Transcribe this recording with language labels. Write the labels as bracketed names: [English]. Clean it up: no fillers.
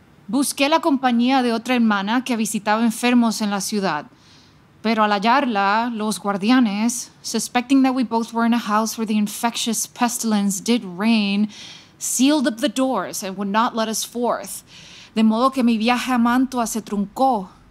[Spanish] Busqué la compañía de otra hermana que visitaba enfermos en la ciudad. Pero al hallarla, los guardianes, [English] suspecting that we both were in a house where the infectious pestilence did reign, sealed up the doors and would not let us forth. [Spanish] De modo que mi viaje a Mantua se truncó.